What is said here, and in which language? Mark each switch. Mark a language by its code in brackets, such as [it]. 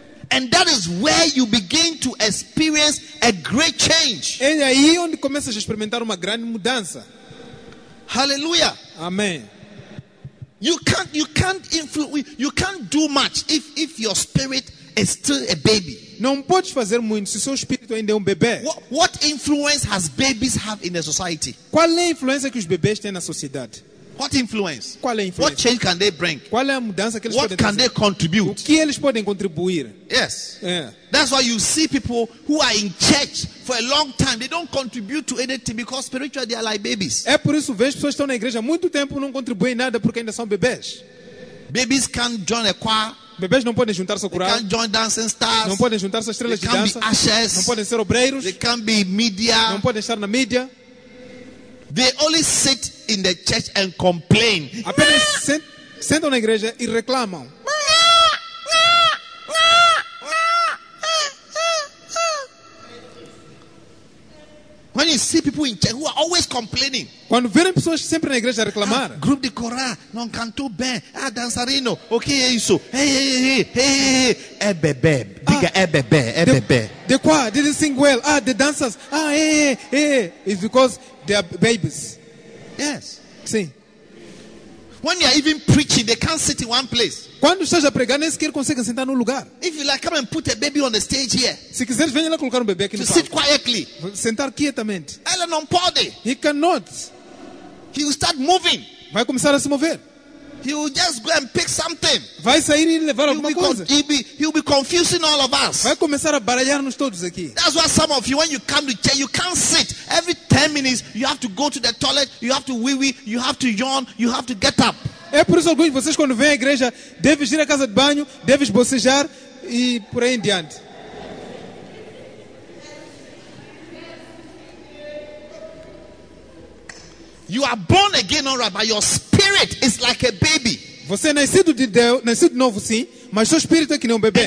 [en] And that is where you begin to experience a great change. [pt] É aí onde começas a experimentar uma grande mudança. [en] Hallelujah. [pt] Amém. [en] You can't do much if your spirit is still a baby. [pt] Não podes fazer muito se seu espírito ainda é bebê. [en] What influence has babies have in the society? [pt] Qual é a influência que os bebês têm na sociedade? [en] What influence? [pt] Qual é a influência? [en] What change can they bring? [pt] Qual é a mudança que eles [en] what [pt] podem [en] can [pt] trazer? [en] They contribute? [pt] O que eles podem contribuir? [en] Yes. Yeah. That's why you see people who are in church for a long time, they don't contribute to anything because spiritually they are like babies. [pt] É por isso que vejo pessoas que estão na igreja há muito tempo não contribuem nada porque ainda são bebês. [en] Babies can't join a choir. [pt] Bebês não podem juntar-se ao coral. [en] They can't join dancing stars. [pt] Não podem juntar-se às estrelas [en] they can't [pt] de dança. [en] Be ashes. [pt] Não podem ser obreiros. [en] They can't be media. [pt] Não podem estar na mídia. [en] They only sit in the church and complain. [pt] Apenas sentam na igreja e reclamam. [en] When you you see people in church who are always complaining. [pt] Quando vêem pessoas sempre na igreja a reclamar. Ah, grupo de coral, não cantou bem. Ah, dançarino, o que é isso? [en] The choir didn't sing well. Ah, the dancers. Ah, It's because they are babies. Yes. [pt] Sim. [en] When you are even preaching, they can't sit in one place. [pt] Quando estás a pregar, nem sequer conseguem sentar num lugar. [en] If you like, come and put a baby on the stage here. [pt] Se quiseres, venha lá colocar bebê aqui no palco. [en] Sit quietly. [pt] Sentar quietamente. Ela não pode. [en] He cannot. He will start moving. [pt] Vai começar a se mover. [en] He will just go and pick something. [pt] Vai sair e levar alguma coisa. [en] He'll be confusing all of us. [pt] Vai começar a baralhar-nos todos aqui. [en] That's why some of you, when you come to church, you can't sit. Every 10 minutes, you have to go to the toilet, you have to wee-wee, you have to yawn, you have to get up. [pt] É por isso que alguns de vocês, quando vêm à igreja, devem ir à casa de banho, devem bocejar e por aí em diante. [en] You are born again, all right, but your spirit is like a baby. [pt] Você é nascido de Deus, nascido de novo, sim, mas seu espírito é que nem um bebê.